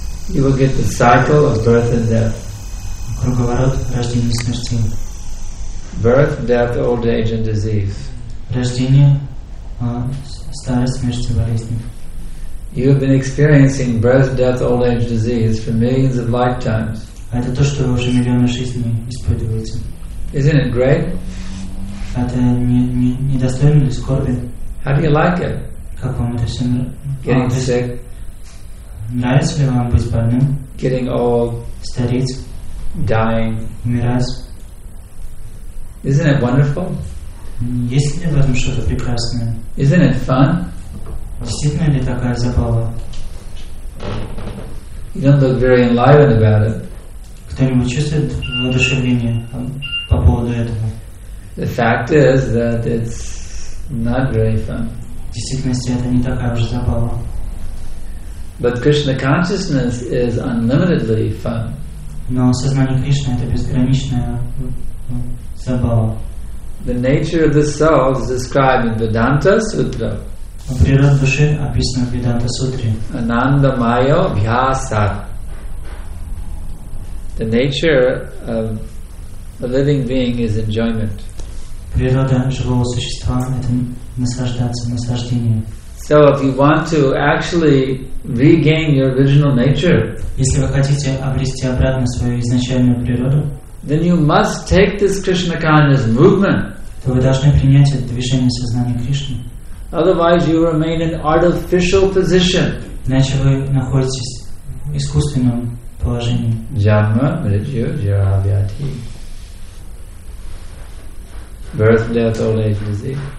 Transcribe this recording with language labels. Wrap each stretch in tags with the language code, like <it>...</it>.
<en>You will get the cycle of birth and death.</en> <ru>Круговорот рождения и смерти.</ru> <en>Birth, death, old age, and disease.</en> <ru>Рождение, старость, смерть и болезни.</ru> <en>You have been experiencing birth, death, old age, disease for millions of lifetimes.</en> <ru>Это то, что вы уже миллионы жизней испытываете.</ru> <en>Isn't it great?</en> <ru>Это не достойно ли скорби?</ru> <en>How do you like it?</en> <ru>Как вам это все?</ru> <en>Getting sick.</en> <ru>Нравится ли вам быть больным?</ru> <en>Getting old.</en> <ru>Стареть.</ru> <en>Dying.</en> <ru>Умирать.</ru> <en>Isn't it wonderful?</en> <ru>Есть ли в этом что-то прекрасное?</ru> <en>Isn't it fun?</en> <ru>Действительно ли такая забава?</ru> <en>You don't look very enlivened about it.</en> <ru>Кто-нибудь чувствует воодушевление по поводу этого?</ru> <en>The fact is that it's not very fun.</en> <ru>В действительности это не такая уж забава.</ru> <en>But Krishna consciousness is unlimitedly fun.</en> <ru>Но сознание Кришны это безграничная забава.</ru> <en>The nature of the soul is described in Vedanta Sutra.</en> <ru>Природа души описана в Vedanta Sutra.</ru> <sa>Ananda Maya Vyasa.</sa> <en>The nature of a living being is enjoyment.</en> <ru>Природа живого существа это наслаждаться, наслаждение.</ru> <en>So if you want to actually regain your original nature,</en> <ru>если вы хотите обрести обратно свою изначальную природу,</ru> <en>then you must take this Krishna consciousness movement.</en> <ru>То вы должны принять это движение сознания Кришны.</ru> <en>Otherwise, you remain in artificial position.</en> <ru>Иначе вы находитесь в искусственном положении.</ru> <sa>Janma, mrityu, jara, vyadhi.</sa> <en>Birth, death, old age, disease.</en>